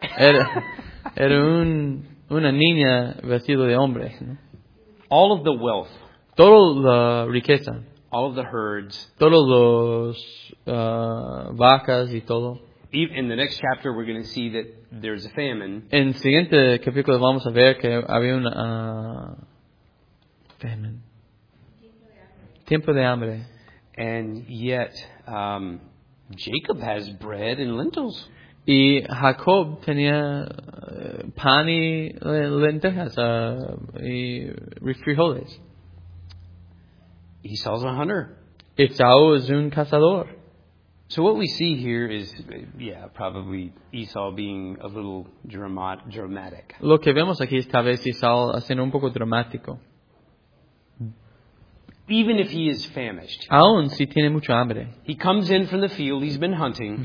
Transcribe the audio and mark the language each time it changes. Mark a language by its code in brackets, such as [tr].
[es] Era una niña vestida de hombre. ¿No? [en] All of the wealth. [es] Toda la riqueza. [en] All of the herds. [es] Todos los vacas y todo. [en] In the next chapter, we're going to see that there's a famine. [es] En el siguiente capítulo vamos a ver que había una famine. Tiempo de hambre. [en] And yet, Jacob has bread and lentils. [es] Y Jacob tenía pan y lentejas y frijoles. [en] Esau's a hunter. [es] Esau es un cazador. [en] So what we see here is, yeah, probably Esau being a little dramatic. [es] Lo que vemos aquí es tal vez Esau haciendo un poco dramático. [en] Even if he is famished. [es] Aún si tiene mucho hambre. [en] He comes in from the field, he's been hunting.